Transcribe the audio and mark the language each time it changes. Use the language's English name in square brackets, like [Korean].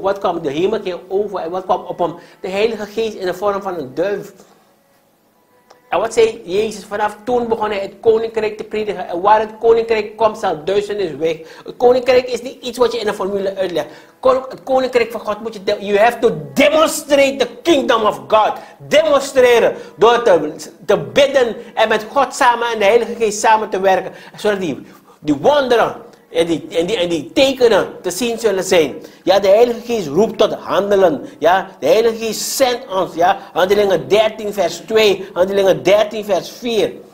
[Dutch] Wat kwam de hemel over en wat kwam op hem? De Heilige Geest in de vorm van een duif. En wat zei Jezus? Vanaf toen begon hij het koninkrijk te predigen. En waar het koninkrijk komt, zal duizend is weg. Het koninkrijk is niet iets wat je in een formule uitlegt. Het koninkrijk van God moet je... [English] You have to demonstrate the kingdom of God. [Dutch] Demonstreren. Door te bidden en met God samen en de Heilige Geest samen te werken. Zodat die wonderen en die tekenen te zien zullen zijn. Ja, de Heilige Geest roept tot handelen. Ja, de Heilige Geest zendt ons. Ja, Handelingen 13 vers 2. Handelingen 13 vers 4.